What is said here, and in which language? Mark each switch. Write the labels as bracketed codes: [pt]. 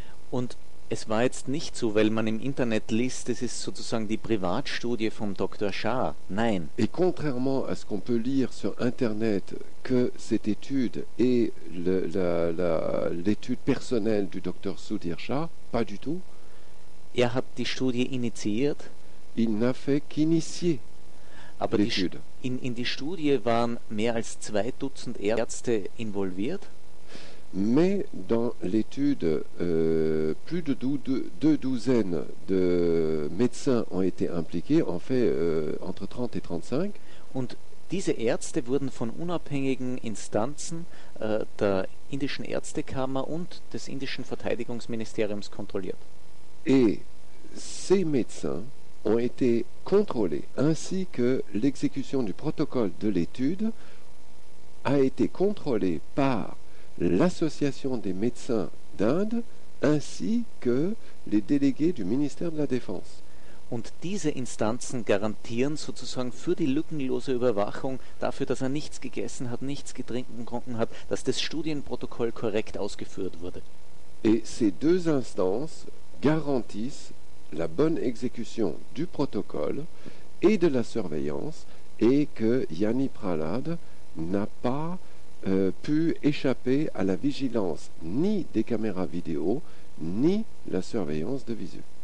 [de] Und es war jetzt nicht so, weil man im Internet liest, das ist sozusagen die Privatstudie vom Dr. Shah. Nein. [fr] Et contrairement à ce qu'on peut lire sur Internet, que cette étude est l'étude personnelle du Dr. Sudhir Shah, pas du tout. [de] Er hat die Studie initiiert. [fr] Il n'a fait qu'initier. [de] Aber in die Studie waren mehr als 2 Dutzend Ärzte involviert. [fr] Mais dans l'étude, plus de deux douzaines de médecins ont été impliqués, en fait entre 30 et 35. [de] Und diese Ärzte wurden von unabhängigen Instanzen der indischen Ärztekammer und des indischen Verteidigungsministeriums kontrolliert. [fr] Et ces médecins ont été contrôlés, ainsi que l'exécution du protocole de l'étude a été contrôlée par l'Association des médecins d'Inde ainsi que les délégués du ministère de la Défense. [de] Und diese Instanzen garantieren sozusagen für die lückenlose Überwachung, dafür, dass er nichts gegessen hat, nichts getrunken hat, dass das Studienprotokoll korrekt ausgeführt wurde. [fr] Et ces deux instances garantissent la bonne exécution du protocole et de la surveillance, et que Yani Prahlad n'a pas pu échapper à la vigilance ni des caméras vidéo ni la surveillance de visu.